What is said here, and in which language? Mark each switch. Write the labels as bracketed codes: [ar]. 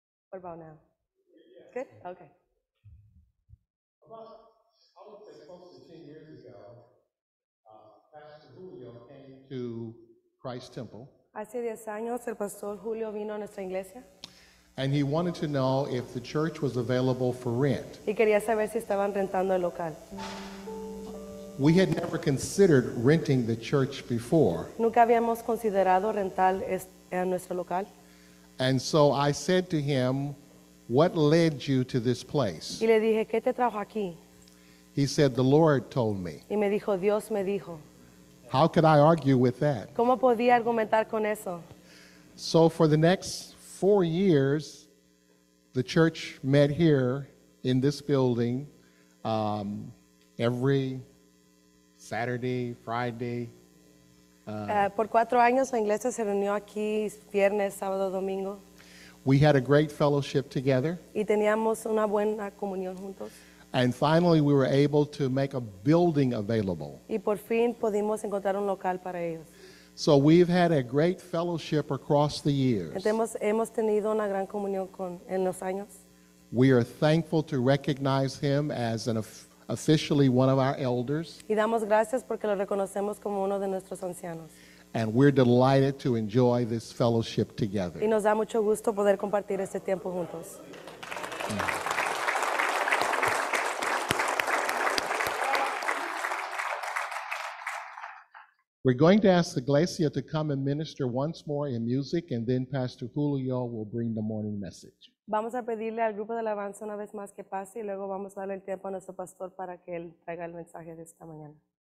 [en] What about now? Good? Okay. About, I would say close to 10 years ago, Pastor Julio came to Christ Temple. [es] Hace 10 años el Pastor Julio vino a nuestra iglesia. [en] And he wanted to know if the church was available for rent. [es] Y quería saber si estaban rentando el local. [en] We had never considered renting the church before. [es] Nunca habíamos considerado rentar en nuestro local. [en] And so I said to him, "What led you to this place?" [es] Y le dije, "¿Qué te trajo aquí?" [en] He said, "The Lord told me." [es] Y me dijo, "Dios me dijo." [en] How could I argue with that? [es] ¿Cómo podía argumentar con eso? [en] So for the next 4 years, the church met here in this building every Saturday, Friday. [es] Por 4 años la iglesia se reunió aquí viernes, sábado, domingo. [en] We had a great fellowship together. [es] Y teníamos una buena comunión juntos. [en] And finally, we were able to make a building available. [es] Y por fin pudimos encontrar un local para ellos. [en] So we've had a great fellowship across the years. [es] Entonces, hemos tenido una gran comunión con, en los años. [en] We are thankful to recognize him as an officially one of our elders. [es] Y damos gracias porque lo reconocemos como uno de nuestros ancianos. [en] And we're delighted to enjoy this fellowship together. [es] Y nos da mucho gusto poder compartir este tiempo juntos. [en] We're going to ask Iglesia to come and minister once more in music, and then Pastor Julio will bring the morning message. [es] Vamos a pedirle al grupo de alabanza una vez más que pase, y luego vamos a darle el tiempo a nuestro pastor para que él traiga el mensaje de esta mañana.